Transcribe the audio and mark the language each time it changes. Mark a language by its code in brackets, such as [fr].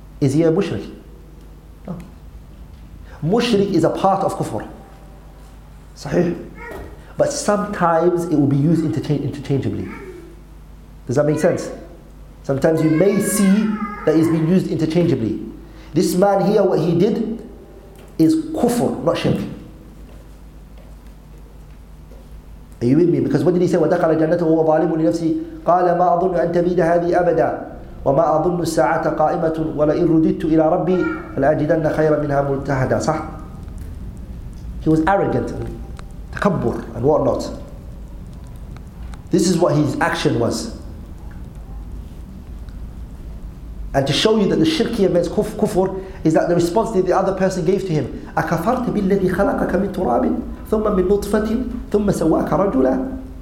[en] Is he a mushrik? No. Mushrik is a part of kufr. Sahih? But sometimes it will be used interchangeably. Does that make sense? Sometimes you may see that it's being used interchangeably. This man here, what he did is kufr, not shirk. Are you with me? Because what did he say? [ar] ودخل جنته وهو ظالم لنفسه قال ما أظن أن تبيد هذه أبدا وما أظن الساعة قائمة ولئن رددت إلى ربي لأجدن خيرا منها ملتهدا. صح. [en] He was arrogant, تكبر and what not. This is what his action was. And to show you that the shirk here means kufr is that the response that the other person gave to him. [ar] أكفرت بالذي خلقك من تراب ثم من نطفة ثم سواك رجلا.